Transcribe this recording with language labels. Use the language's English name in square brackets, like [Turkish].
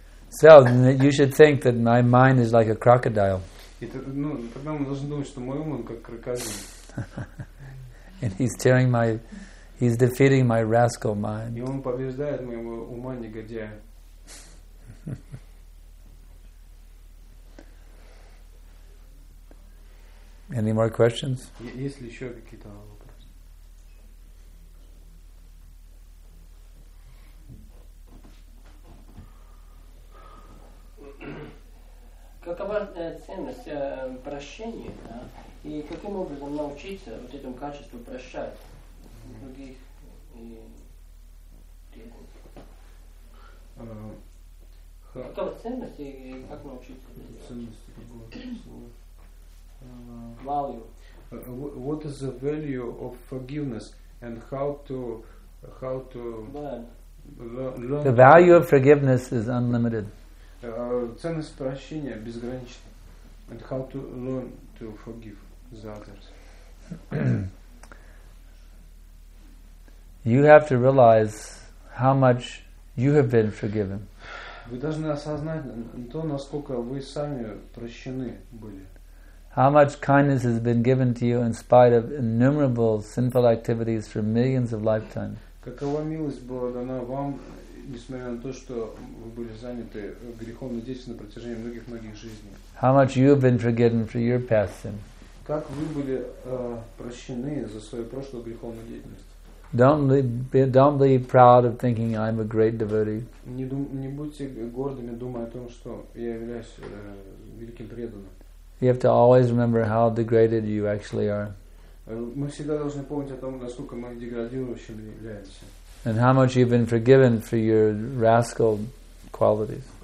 [English] So you should think that my mind is like a crocodile. [Russian] Тогда мы должны думать, что мой ум как крокодил. [English] And he's tearing my. He's defeating my rascal mind. [Russian] И он побеждает моего ума негодяя. [English] Any more questions? [Russian] Есть ли еще какие-то вопросы? какова ценность прощения, да? И каким образом научиться вот этому качеству прощать других и преданных? Какова ценность и как научиться? Ценность, какое слово? Value. [English] What is the value of forgiveness and how to learn? The value of forgiveness is unlimited. [Russian] Ценность прощения безгранична. [English] And how to learn to forgive the others? You have to realize how much you have been forgiven. [Russian] Вы должны осознать то, насколько вы сами прощены были. [English] How much kindness has been given to you in spite of innumerable sinful activities for millions of lifetimes. [Russian] Какова милость была дана вам, несмотря на то, что вы были заняты греховной деятельностью на протяжении многих-многих жизней. [English] How much you have been forgiven for your past sin. [Russian] Как вы были прощены за свою прошлую греховную деятельность. [English] Don't be proud of thinking I'm a great devotee. [Russian] Не будьте гордыми, думая о том, что я являюсь великим преданным. [English] You have to always remember how degraded you actually are. [Russian] Мы всегда должны помнить о том, насколько мы деградирующими являемся. [English] And how much you've been forgiven for your rascal qualities.